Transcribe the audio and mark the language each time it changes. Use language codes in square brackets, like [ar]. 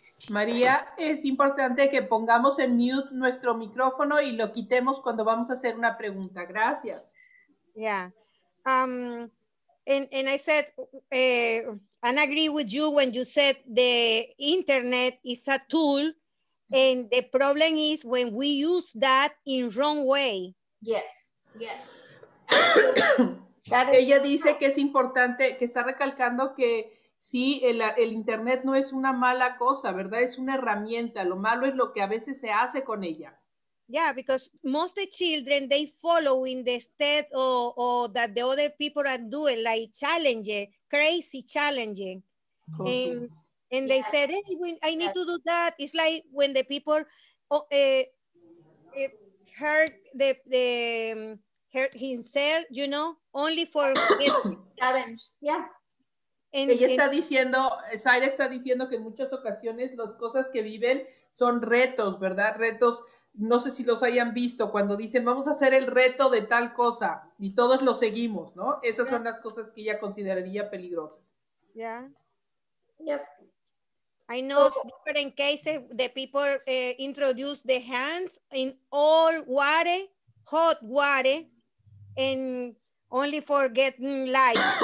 [es] María, es importante que pongamos en mute nuestro micrófono y lo quitemos cuando vamos a hacer una pregunta. Gracias. [en] Yeah. And I said, and I agree with you when you said the internet is a tool, and the problem is when we use that in wrong way. Yes. Yes. [es] Ella dice que es importante, que está recalcando que sí, el internet no es una mala cosa, ¿verdad? Es una herramienta. Lo malo es lo que a veces se hace con ella. [en] Yeah, because most of the children, they follow in the stead or that the other people are doing, like challenging, crazy challenging. And they said, hey, I need to do that. It's like when the people hurt the himself, you know, only for challenge. Yeah. [es] Zaira está diciendo que en muchas ocasiones las cosas que viven son retos, ¿verdad? Retos, no sé si los hayan visto, cuando dicen vamos a hacer el reto de tal cosa y todos lo seguimos, ¿no? Esas son las cosas que ella consideraría peligrosas. [en] Yeah. Yep. I know different cases, the people introduce the hands in all water, hot water, and only for getting light.